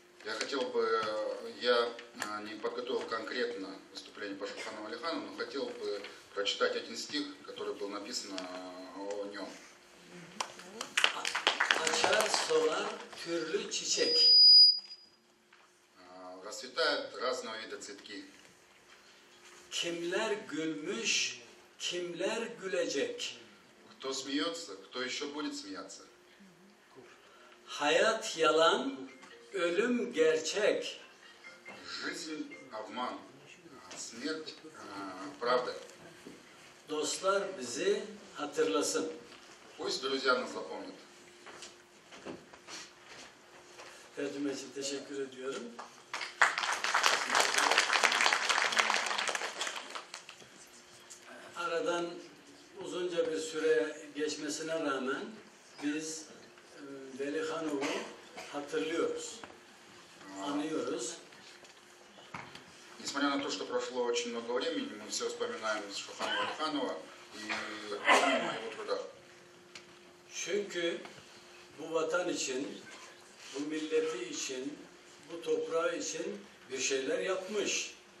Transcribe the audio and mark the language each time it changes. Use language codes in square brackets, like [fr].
[ru] Я хотел бы, я не подготовил конкретно выступление по Шохану Валихану, но хотел бы прочитать один стих, который был написан о нем. [tr] Açar sola türlü çiçek. [ru] Расцветают разного вида цветки. [tr] Kimler gülmüş, kimler gülecek. [ru] Кто смеется, кто еще будет смеяться? [tr] Hayat yalan, ölüm gerçek. [ru] Жизнь обман, смерть правда. [tr] Dostlar bizi hatırlasın. [ru] Пусть друзья нас запомнят. [tr] Tercüme için teşekkür ediyorum. Aradan uzunca bir süre geçmesine rağmen biz Velikhanov'u hatırlıyoruz. Anlıyoruz. [ru] Несмотря на то, что прошло очень много времени, мы все вспоминаем Шохана Валиханова, и моего труда. [tr] Çünkü bu vatan için, bu milleti için, bu toprağı için bir şeyler yapmış.